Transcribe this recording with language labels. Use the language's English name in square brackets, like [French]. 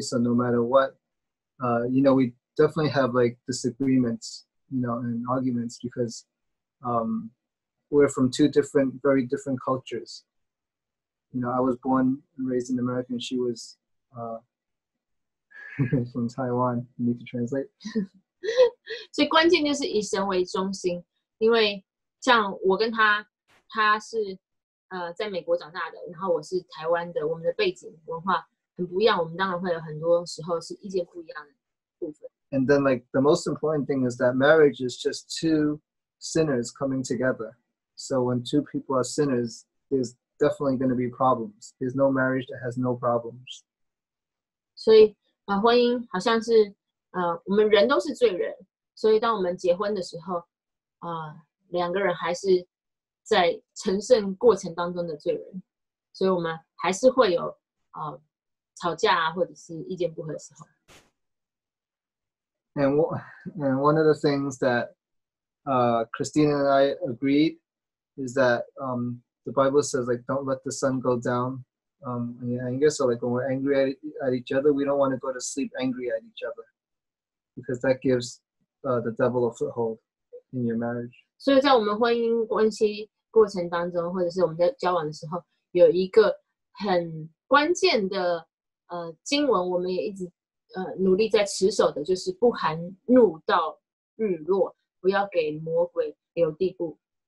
[English] So no matter what, you know, we definitely have like disagreements, you know, and arguments because we're from two different, very different cultures. You know, I was born and raised in America and she was from Taiwan. You need to translate. [Chinese] 所以关键就是以神为中心。因为像我跟他是在美国长大的，然后我是台湾的，我们的背景文化很不一样，我们当然会有很多时候是意见不一样的部分。 [English] And then like the most important thing is that marriage is just two sinners coming together. So when two people are sinners, there's definitely going to be problems. There's no marriage that has no problems. [Chinese] 所以婚姻好像是我们人都是罪人，所以当我们结婚的时候，两个人还是在成圣过程当中的罪人，所以我们还是会有吵架啊，或者是意见不合的时候。 [English] And one of the things that Christina and I agreed is that the Bible says like don't let the sun go down in your anger. So like when we're angry at each other, we don't want to go to sleep angry at each other because that gives the devil a foothold. In your marriage. [Chinese] 所以在我们婚姻关系过程当中，或者是我们在交往的时候，有一个很关键的经文，我们也一直努力在持守的，就是不含怒到日落，不要给魔鬼留地步。